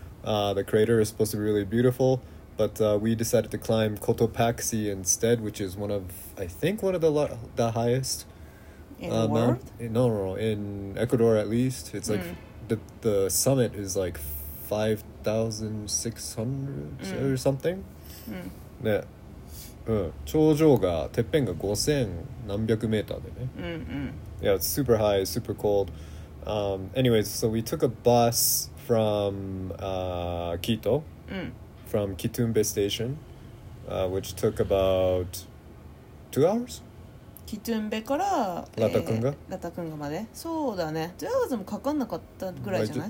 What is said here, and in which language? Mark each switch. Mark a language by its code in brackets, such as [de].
[en] The crater is supposed to be really beautiful. But we decided to climb Cotopaxi instead, which is one of, I think, one of the highest. In Ecuador at least. It's like the summit is like 5,600 or something. Yeah. [ja] 頂上がてっぺんが5000何百メーターでね。 [en] Yeah, it's super high, super cold. Anyways, so we took a bus from Quito, from Kitumbe Station, which took about 2 hours? [ja] Kitumbe からラタクンガ、ラタクンガまで。そうだね。 [en] 2 hours [ja] もかかんなかったぐらいじゃない？